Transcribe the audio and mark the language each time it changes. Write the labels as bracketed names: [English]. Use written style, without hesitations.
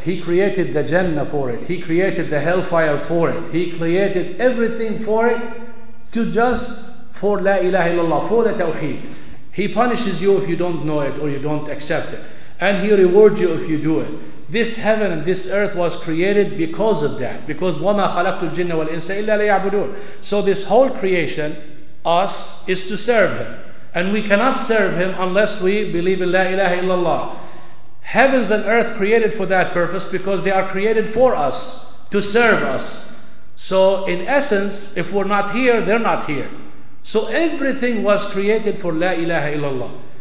[English] He created the Jannah for it. He created the hellfire for it. He created everything for it, to just for La ilaha illallah, for the Tawheed. He punishes you if you don't know it or you don't accept it. And he rewards you if you do it. This heaven and this earth was created because of that. [Arabic] Because وَمَا خَلَقْتُ الْجِنَّ وَالْإِنسَ إِلَّا لَيَعْبُدُونَ. [English] So this whole creation, us, is to serve him. And we cannot serve him unless we believe in La ilaha illallah. Heavens and earth created for that purpose because they are created for us, to serve us. So in essence, if we're not here, they're not here. So everything was created for La ilaha illallah.